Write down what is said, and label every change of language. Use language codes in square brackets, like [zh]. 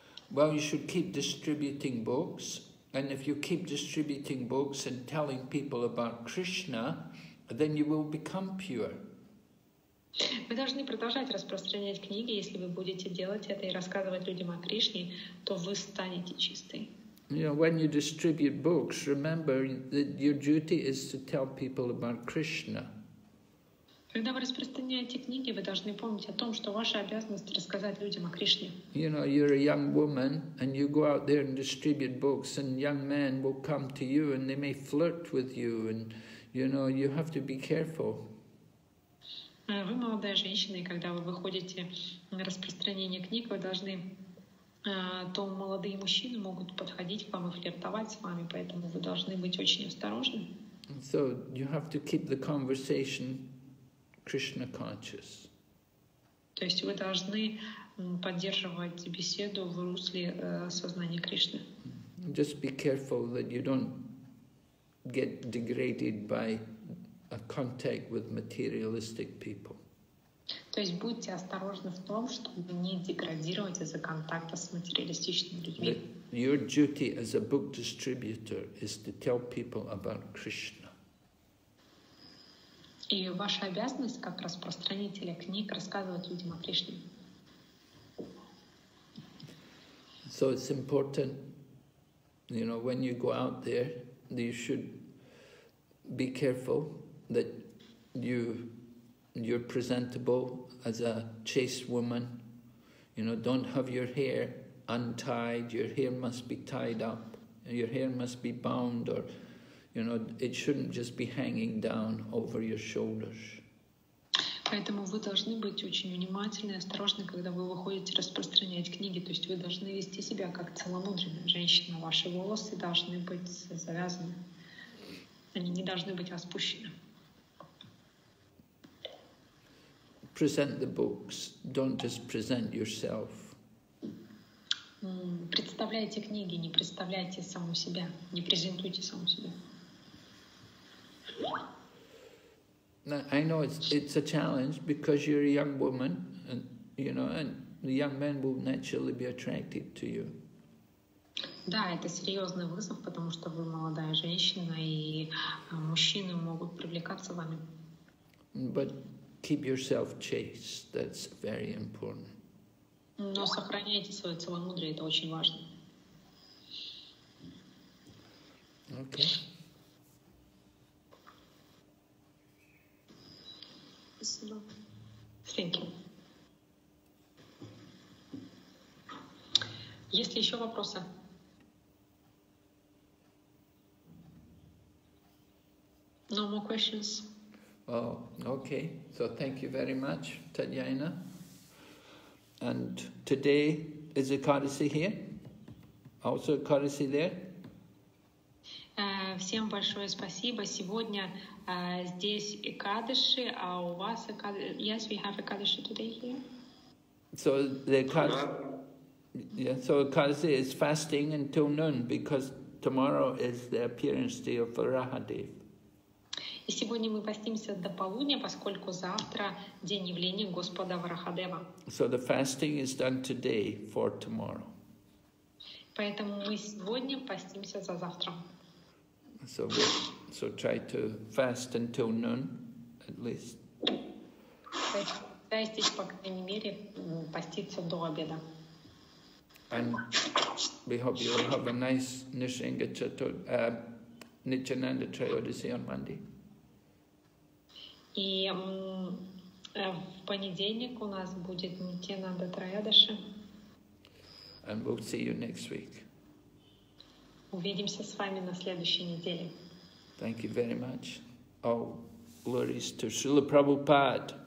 [en] Well, you should keep distributing books, and if you keep distributing books and telling people about Krishna, then you will become pure. [ru] Вы должны продолжать распространять книги, если вы будете делать это и рассказывать людям о Кришне, то вы станете чисты. [en] You know, when you distribute books, remember that your duty is to tell people about Krishna. [ru] Когда вы распространяете книги, вы должны помнить о том, что ваша обязанность рассказать людям о Кришне. [en] You know, you're a young woman, and you go out there and distribute books, and young men will come to you, and they may flirt with you, and you know, you have to be careful. [ru] Вы молодая женщина, и когда вы выходите на распространение книг, вы должны, то молодые мужчины могут подходить к вам и флиртовать с вами, поэтому вы должны быть очень осторожны. [en] So you have to keep the conversation Krishna conscious. [ru] То есть вы должны поддерживать беседу в русле сознания Кришны. [en] Just be careful that you don't get degraded by a contact with materialistic people. [ru] То есть будьте осторожны в том, чтобы не деградировать из-за контакта с материалистичными людьми. [en] But your duty as a book distributor is to tell people about Krishna. [ru] И ваша обязанность как распространителя книг рассказывать людям о Кришне. [en] So it's important, you know, when you go out there, you should be careful that you're presentable as a chaste woman. You know, don't have your hair untied. Your hair must be tied up. Your hair must be bound, or, you know, it shouldn't just be hanging down over your shoulders. [ru] Поэтому вы должны быть очень внимательны и осторожны, когда вы выходите распространять книги. То есть вы должны вести себя как целомудренная женщина. Ваши волосы должны быть завязаны. Они не должны быть распущены. [en] Present the books. Don't just present yourself. [ru] Представляйте книги, не представляйте саму себя. Не презентуйте саму себя. [en] I know it's a challenge because you're a young woman, and you know, and the young men will naturally be attracted to you. [ru] Да, это серьезный вызов, потому что вы молодая женщина, и мужчины могут привлекаться вами. [en] But keep yourself chaste. That's very important. [ru] Но сохраняйте свое целомудрие. Это очень важно. [en] Okay. Thank you. [ru] Есть ли еще вопросы? [en] No more questions. Oh, okay. So thank you very much, Tatyana. And today, is Ekadasi here? Also Ekadasi there? [ru] Всем большое спасибо. Сегодня здесь Экадыши, а у вас Экадыши? [en] Yes, we have Экадыши today here. So the Экадыши is fasting until noon because tomorrow is the appearance day of Varahadev. [ru] И сегодня мы постимся до полудня, поскольку завтра день явления Господа Варахадева. [en] So the fasting is done today for tomorrow. [ru] Поэтому мы сегодня постимся за завтра. [en] So try to fast until noon, at least. [ru] Постись, по крайней мере, поститься до обеда. [en] And we hope you will have a nice Nityananda Trayodasi on Monday. [ru] И в понедельник у нас будет Нитьянанда Трайодаши. [en] And we'll see you next week. [ru] Увидимся с вами на следующей неделе. [en] Thank you very much. All glories to Srila Prabhupada.